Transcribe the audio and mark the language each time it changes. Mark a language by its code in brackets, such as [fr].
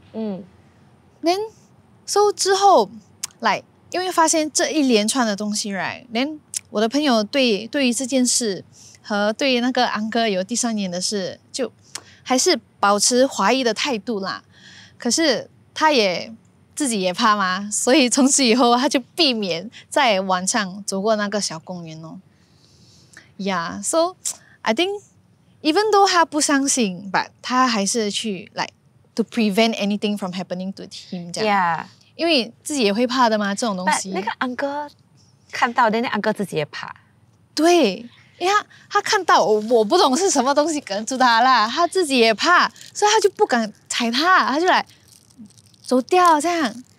[zh] 嗯 ， [en] then so [zh] 之后 ，like 因为发现这一连串的东西 ， [en] right then [zh] 我的朋友对于这件事和对于那个安哥有第三眼的事，就还是保持怀疑的态度啦。可是他也自己也怕嘛，所以从此以后他就避免在晚上走过那个小公园哦。 [en] Yeah, so I think even though [zh] 他不相信 [en] ，but [zh] 他还是去 [en] like to prevent anything from happening to him. Yeah, [zh] 因为自己也会怕的嘛，这种东西。那个安哥看到的，那安哥自己也怕。对，因为他看到我不懂是什么东西梗住他啦，他自己也怕，所以他就不敢踩他，他就来走掉这样。